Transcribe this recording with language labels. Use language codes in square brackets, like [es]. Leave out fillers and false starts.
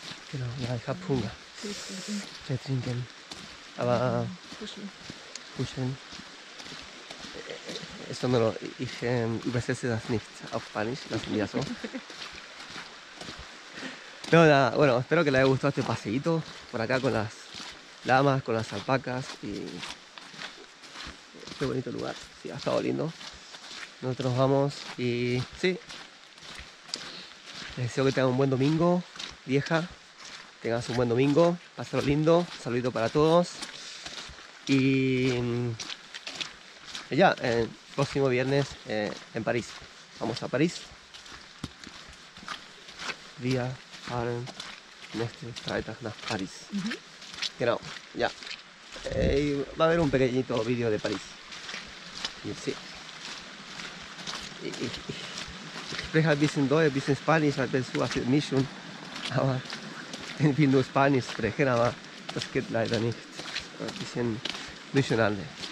[de] Genau, ja, ich habe Hunger. Tee trinken. Aber. Kuscheln. [es] Esto no lo, [de] ich übersetze das nicht auf Spanisch, das ist ja so. [es] Pero nada, bueno, espero que les haya gustado este paseíto por acá con las lamas, con las alpacas y... Qué bonito lugar, sí, ha estado lindo. Nosotros vamos y... Sí. Les deseo que tengan un buen domingo, vieja. Tengas un buen domingo, pásalo lindo, saludito para todos. Y... ya, próximo viernes en París. Vamos a París. [de] Wir fahren nächsten Freitag nach Paris. Mhm. Genau, ja. [es] Va a haber un pequeñito video de París. Sí. [de] Ich spreche ein bisschen Deutsch, ein bisschen Spanisch, ein bisschen für mich schon. Aber ich will nur Spanisch sprechen, aber das geht leider nicht. Ein bisschen durcheinander.